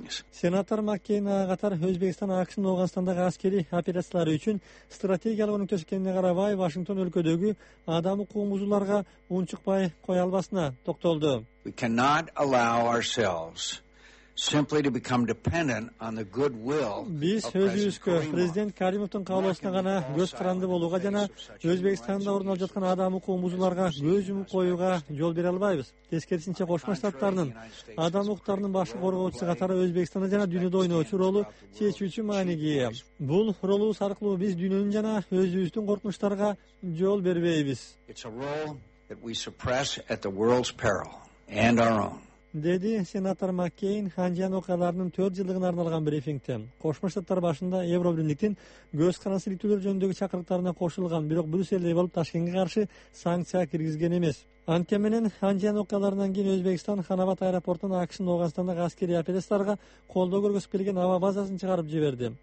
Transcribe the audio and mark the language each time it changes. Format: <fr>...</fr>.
<ky>Сенатор Маккейн ага катар Өзбекстан АКШнын Ооганстандагы аскерий операциялары үчүн стратегиялык өнөктөшкөнүнө карабай Вашингтон өлкөдөгү адам укугун бузууларга унчукпай кое албасына токтолду.</ky> <en>We cannot allow ourselves simply to become dependent on the goodwill of</en> <ky>President Karimovдун каалоосуна гана көз каранды болууга жана Өзбекстанда орун алып жаткан адам укугун бузууларга көз жумуп коюуга жол бере албайбыз. Тескерисинче Кошмо Штаттарынын адам укуктарынын баш коргоочусу катары Өзбекстанда жана дүйнөдө ойноочу ролу чечүүчү мааниге ээ. Бул ролубуз аркылуу биз дүйнөнүн жана өзүбүздүн коркунучтарга жол бербейбиз.</ky> <en>It's a role that we suppress at the world's peril and our own.</en> <ky>Деди сенатор Маккейн Анжан окуяларынын 4 жылдыгына арналган брифингте. Кошмо Штаттар башында Евро биримдиктин көз карансыз иликтөөлөр жөнүндөгү чакырыктарына кошулган, бирок Брюссельде болуп Ташкентке каршы санкция киргизген эмес. Антем менен Анжан окуяларынан кийин Өзбекстан Хан Абад аэропортунан АКШнын Ооганстандагы аскерий операцияларга колдоо көргөзүп келген аба базасын чыгарып жиберди.</ky>